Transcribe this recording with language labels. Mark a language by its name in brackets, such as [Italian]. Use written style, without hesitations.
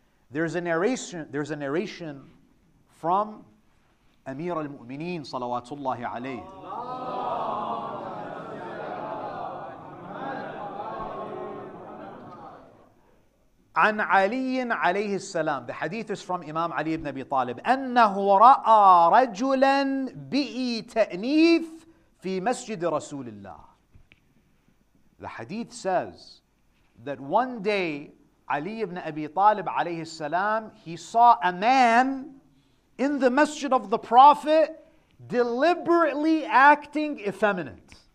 [English] There's a narration from Amir al-Mu'mineen, salawatullahi alayhi. [Arabic] عن علي عليه السلام. [English] The hadith is from Imam Ali ibn Abi Talib. [Arabic] أنه رأى رجلا بي تأنيف في مسجد رسول الله. [English] The hadith says that one day Ali ibn Abi Talib عليه السلام, he saw a man in the masjid of the Prophet deliberately acting effeminate.